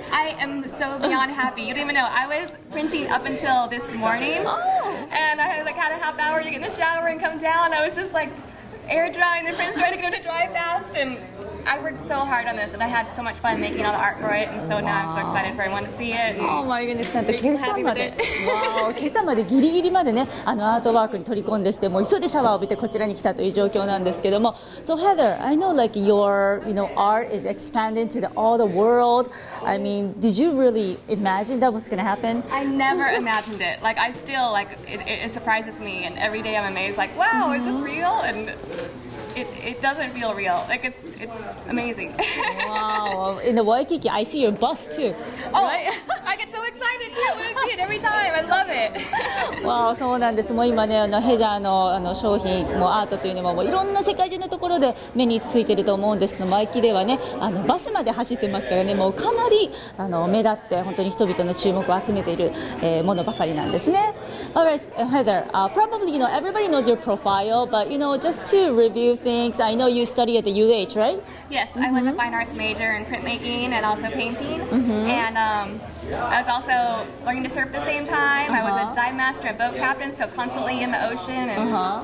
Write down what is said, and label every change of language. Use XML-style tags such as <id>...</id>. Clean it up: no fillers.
<en>I am so beyond happy. You don't even know. I was printing up until this morning. Oh. And I had like had a half hour to get in the shower and come down. I was just like air drying the prints, trying to get them to dry fast. And I worked so hard on this and I had so much fun making all the art for it. And so now I'm so excited for everyone to see it. Oh my goodness, and the cake. Wow.</en> <ja>今朝までギリギリまで、ね、アートワークに取り込んできて、もう急いでシャワーを浴びてこちらに来たという状況なんですけども。</ja> <en>So Heather, I know like your art is expanding to all the world. I mean, did you really imagine that was going to happen? I never imagined it. Like I still, like, it surprises me and every day I'm amazed like, wow, mm-hmm. is this real? And it doesn't feel real. Like it's amazing. Wow. In the Waikiki, I see your bus too. Oh, right? I get so excited too when I see it every time. I love it.</en> <ja>Wow, そうなんです。もう今ね、ヘザーの商品もアートというのも、もういろんな世界中のところで目についてると思うんですけど、マイキではね、バスまで走ってますからね、もうかなり目立って本当に人々の注目を集めている、ものばかりなんですね。</ja> <en>All right, Heather, probably everybody knows your profile, but just to review things, I know you study at the UH, right? Yes, mm-hmm. I was a fine arts major in printmaking and also painting, mm-hmm. and I was also learning to surf at the same time. Uh-huh. I was a dive master, a boat captain, so constantly in the ocean and uh-huh.</en>